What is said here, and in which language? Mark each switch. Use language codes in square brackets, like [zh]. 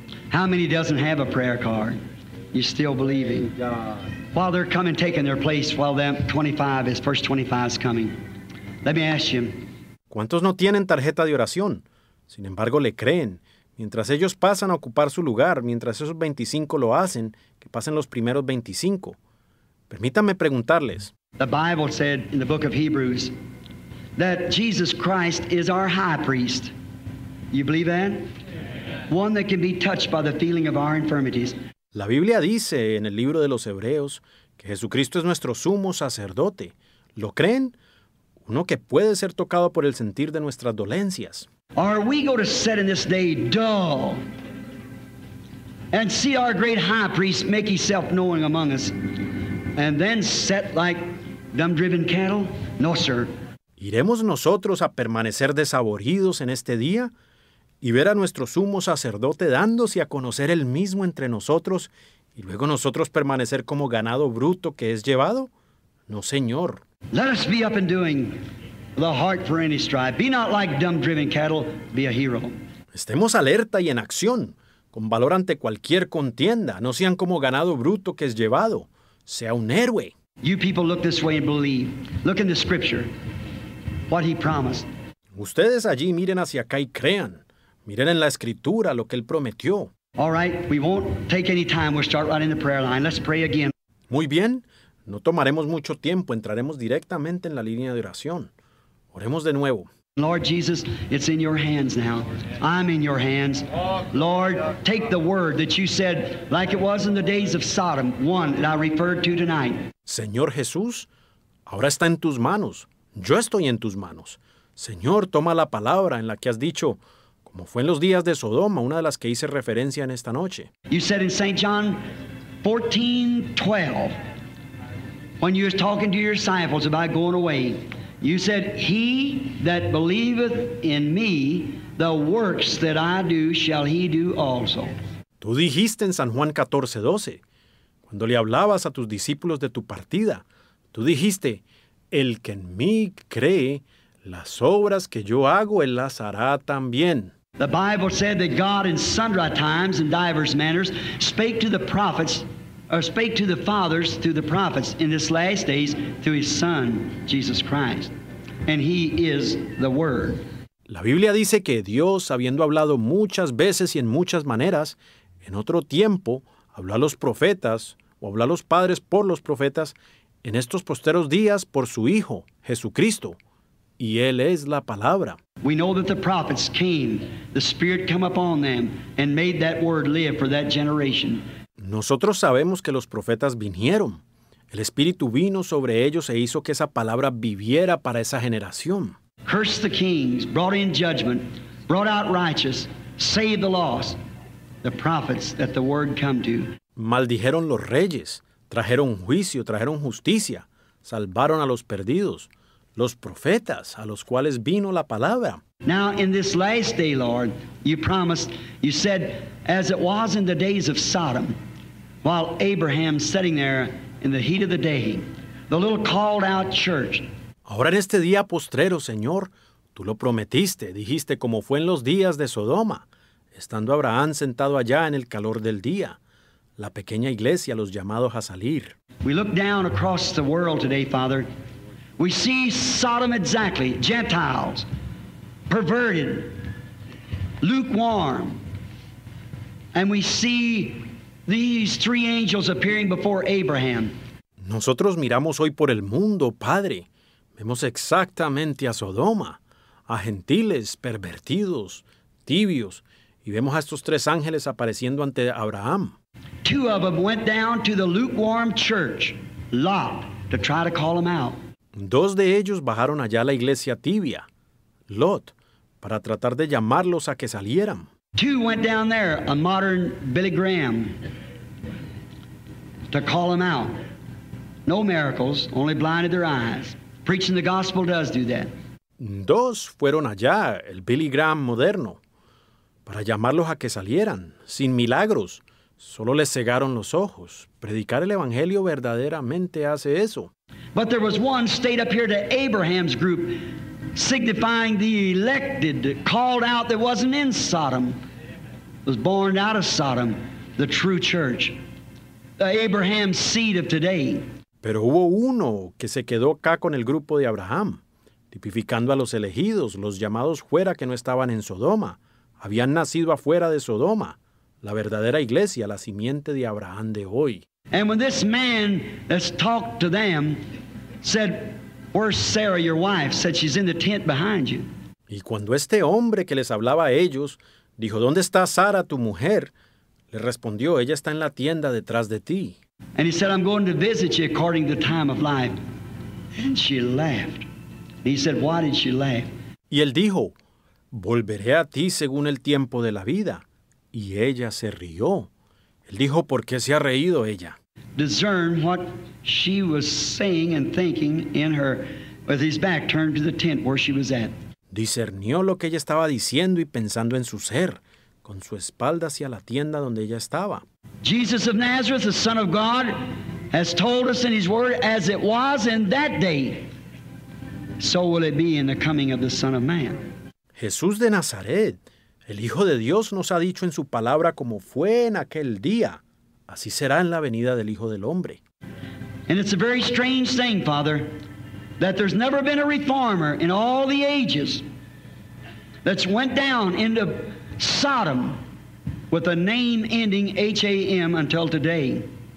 [en] How many doesn't have a prayer card? You're still believing. While they're coming, taking their place, while that 25 is, first 25 is coming. Let me ask you. [es] ¿Cuántos no tienen tarjeta de oración? Sin embargo, le creen. Mientras ellos pasan a ocupar su lugar, mientras esos 25 lo hacen, que pasen los primeros 25. Permítanme preguntarles. [en] The Bible said in the book of Hebrews that Jesus Christ is our high priest. You believe that? One that can be touched by the feeling of our infirmities. [es] La Biblia dice en el libro de los Hebreos que Jesucristo es nuestro sumo sacerdote. ¿Lo creen? Uno que puede ser tocado por el sentir de nuestras dolencias. [en] Are we going to sit in this day dull and see our great high priest make himself known among us and then set like dumb driven cattle? No, sir. [es] ¿Iremos nosotros a permanecer desaboridos en este día? Y ver a nuestro sumo sacerdote dándose a conocer él mismo entre nosotros, y luego nosotros permanecer como ganado bruto que es llevado? No, señor. [en] Let us be up and doing the heart for any strife. Be not like dumb driven cattle, be a hero. [es] Estemos alerta y en acción, con valor ante cualquier contienda. No sean como ganado bruto que es llevado. Sea un héroe. [en] You people look this way and believe. Look in the scripture, what he promised. [es] Ustedes allí miren hacia acá y crean. Miren en la escritura lo que él prometió. [en] All right, we won't take any time. We'll start right in the prayer line. Let's pray again. [es] Muy bien, no tomaremos mucho tiempo. Entraremos directamente en la línea de oración. Oremos de nuevo. [en] Lord Jesus, it's in your hands now. I'm in your hands. Lord, take the word that you said, like it was in the days of Sodom, one that I referred to tonight. [es] Señor Jesús, ahora está en tus manos. Yo estoy en tus manos. Señor, toma la palabra en la que has dicho... Como fue en los días de Sodoma, una de las que hice referencia en esta noche. [en] You said in St. John 14:12, when you was talking to your disciples about going away, You said, he that believeth in me, the works that I do shall he do also. [es] Tú dijiste en San Juan 14:12, cuando le hablabas a tus discípulos de tu partida, tú dijiste, el que en mí cree, las obras que yo hago, él las hará también. [en] The Bible said that God in sundry times and divers manners spake to the prophets, or spake to the fathers through the prophets in this last days through his Son, Jesus Christ. And he is the Word. [es] La Biblia dice que Dios, habiendo hablado muchas veces y en muchas maneras, en otro tiempo, habló a los profetas, o habló a los padres por los profetas, en estos posteros días por su Hijo, Jesucristo, y Él es la Palabra. [en] We know that the prophets came, the Spirit came upon them, and made that Word live for that generation. [es] Nosotros sabemos que los profetas vinieron. El Espíritu vino sobre ellos e hizo que esa palabra viviera para esa generación. [en] Cursed the kings, brought in judgment, brought out righteous, saved the lost, the prophets that the word come to. [es] Maldijeron los reyes, trajeron juicio, trajeron justicia, salvaron a los perdidos, los profetas a los cuales vino la palabra. [en] Now in this last day, Lord, you promised, you said, as it was in the days of Sodom, while Abraham sitting there in the heat of the day, the little called out church. [es] Ahora en este día postrero, Señor, tú lo prometiste, dijiste como fue en los días de Sodoma, estando Abraham sentado allá en el calor del día, la pequeña iglesia, los llamados a salir. [en] We look down across the world today, Father. We see Sodom exactly, Gentiles, perverted, lukewarm. And we see these three angels appearing before Abraham. [es] Nosotros miramos hoy por el mundo, Padre. Vemos exactamente a Sodoma, a gentiles, pervertidos, tibios. Y vemos a estos tres ángeles apareciendo ante Abraham. [en] Two of them went down to the lukewarm church, Lot, to try to call them out. [es] Dos de ellos bajaron allá a la iglesia tibia, Lot, para tratar de llamarlos a que salieran. [en] Two went down there, a modern Billy Graham, to call them out. No miracles, only blinded their eyes. Preaching the gospel does do that. [es] Dos fueron allá, el Billy Graham moderno, para llamarlos a que salieran, sin milagros. Solo les cegaron los ojos. Predicar el evangelio verdaderamente hace eso. [en] But there was one stayed up here to Abraham's group, signifying the elected, called out that wasn't in Sodom, was born out of Sodom, the true church, the Abraham's seed of today. [es] Pero hubo uno que se quedó acá con el grupo de Abraham, tipificando a los elegidos, los llamados fuera que no estaban en Sodoma. Habían nacido afuera de Sodoma, la verdadera iglesia, la simiente de Abraham de hoy. [en] And when this man has talked to them, said, where's Sarah, your wife? Said, she's in the tent behind you. [es] Y cuando este hombre que les hablaba a ellos, dijo, ¿dónde está Sara, tu mujer? Le respondió, ella está en la tienda detrás de ti. [en] And he said, I'm going to visit you according to the time of life. And she laughed. He said, why did she laugh? [es] Y él dijo, volveré a ti según el tiempo de la vida. Y ella se rió. Él dijo, ¿por qué se ha reído ella? [en] Discern what she was saying and thinking in her, with his back turned to the tent where she was at. [es] Discernió lo que ella estaba diciendo y pensando en su ser, con su espalda hacia la tienda donde ella estaba. [en] Jesus of Nazareth, the Son of God, has told us in his word, as it was in that day, so will it be in the coming of the Son of Man. [es] Jesús de Nazaret, el Hijo de Dios, nos ha dicho en su palabra como fue en aquel día. Así será en la venida del Hijo del Hombre. [en] And it's a very strange thing, Father, that there's never been a reformer in all the ages that's went down into Sodom with a name ending H-A-M until today.